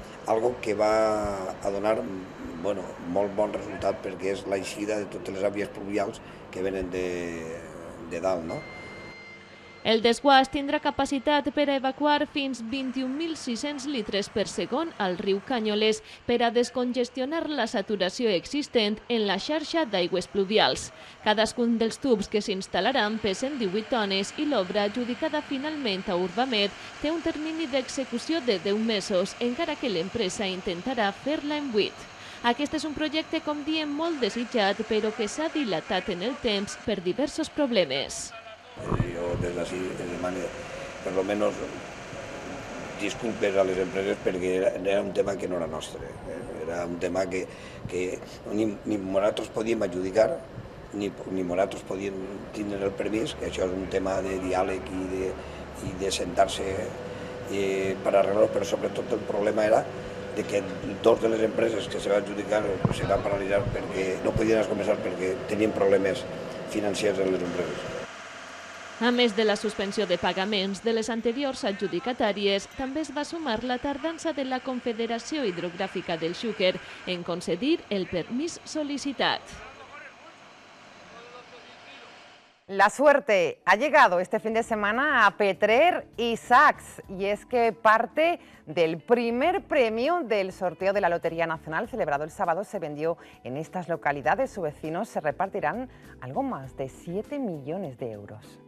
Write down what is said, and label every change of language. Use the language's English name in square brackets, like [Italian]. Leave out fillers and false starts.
[Spanish] Algo que va a donar, bueno, muy buen resultado porque es la eixida de todas las vías pluviales que vienen de dalt, ¿no? [Catalan] El desguàs tindrà capacitat per a evacuar fins 21.600 litres per segon al riu Canyoles per a descongestionar la saturació existent en la xarxa d'aigües pluvials. Cadascun dels tubs que s'instal·laran pesen 18 tones i l'obra, adjudicada finalment a Urbamed, té un termini d'execució de 10 mesos, encara que l'empresa intentarà fer-la en 8. Aquest és un projecte, com diem, molt desitjat, però que s'ha dilatat en el temps per diversos problemes. [Spanish] Yo desde así, desde manera, por lo menos, disculpes a las empresas porque era un tema que no era nuestro. Era un tema que ni nosotros podíamos adjudicar, ni nosotros podíamos tener el permiso, que eso es un tema de diálogo y de sentarse para arreglarlo, pero sobre todo el problema era de que dos de las empresas que se van a adjudicar se van a paralizar porque no podían comenzar porque tenían problemas financieros en las empresas. [Catalan] A més de la suspensió de pagaments de les anteriors adjudicatàries, també es va sumar la tardança de la Confederació Hidrogràfica del Xúquer en concedir el permís sol·licitat. [Spanish] La suerte ha llegado este fin de semana a Petrer y Sachs, y es que parte del primer premio del sorteo de la Lotería Nacional celebrado el sábado se vendió en estas localidades. Sus vecinos se repartirán algo más de 7 millones de euros.